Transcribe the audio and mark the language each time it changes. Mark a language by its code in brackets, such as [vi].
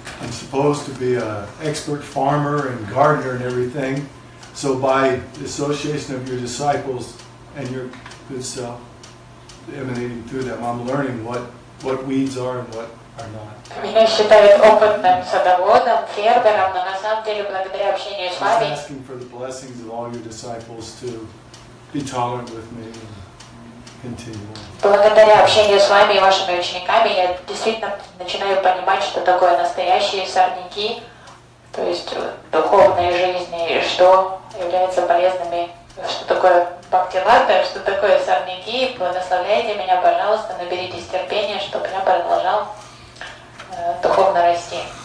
[en] supposed to be an expert farmer and gardener and everything. So by association of your disciples and your good self emanating through them, I'm learning what weeds are and what are not. [ru] Меня считают опытным садоводом, фермером, но на самом деле благодаря общению с вами. [en] I'm asking for the blessings of all your disciples to be tolerant with me and continue. [ru] Благодаря общению с вами и вашими учениками я действительно начинаю понимать, что такое настоящие сорняки, то есть духовные жизни, и что является полезными, что такое бхакти-лата, что такое сорняки. Благословляйте меня, пожалуйста, наберитесь терпения, чтобы я продолжал духовно расти.